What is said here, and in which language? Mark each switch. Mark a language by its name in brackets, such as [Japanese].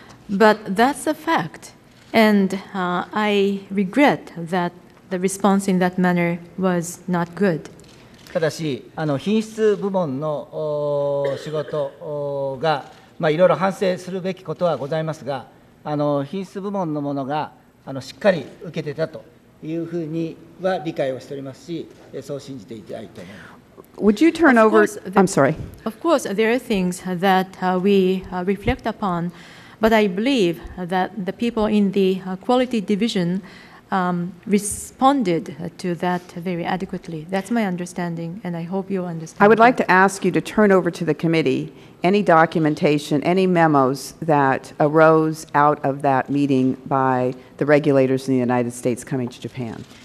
[English] But that's a fact, and I regret that the response in that manner was not good. [Japanese] ただし、品質部門の仕事が、いろいろ反省するべきことはございますが、品質部門のものが、しっかり受けてたというふうには理解をしておりますし、そう信じていたいと思います。 [English] Would you turn over? I'm sorry. Of course, there are things that we reflect upon. But I believe that the people in the quality division responded to that very adequately. That's my understanding, and I hope you understand. I would like to ask you to turn over to the committee any documentation, any memos that arose out of that meeting by the regulators in the United States coming to Japan.